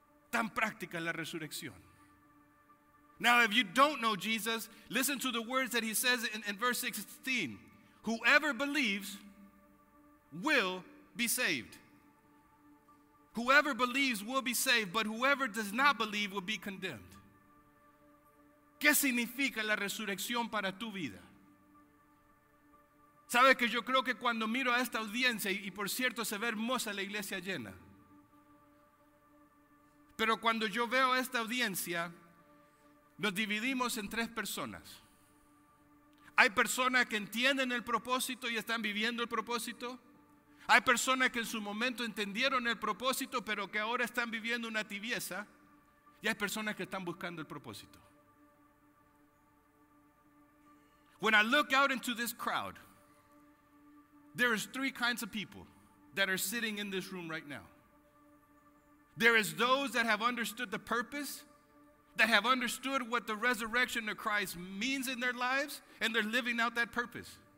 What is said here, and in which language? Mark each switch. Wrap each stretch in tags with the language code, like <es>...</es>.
<es>Tan práctica es la resurrección.</es> <en>Now if you don't know Jesus, listen to the words that he says in verse 16. Whoever believes will be saved. Whoever believes will be saved, but whoever does not believe will be condemned.</en> <es>¿Qué significa la resurrección para tu vida? Sabes que yo creo que cuando miro a esta audiencia, y por cierto se ve hermosa la iglesia llena, pero cuando yo veo a esta audiencia, nos dividimos en tres personas. Hay personas que entienden el propósito y están viviendo el propósito. Hay personas que en su momento entendieron el propósito, pero que ahora están viviendo una tibieza. Y hay personas que están buscando el propósito.</es> <en>When I look out into this crowd, there is three kinds of people that are sitting in this room right now. There is those that have understood the purpose, that have understood what the resurrection of Christ means in their lives, and they're living out that purpose.</en>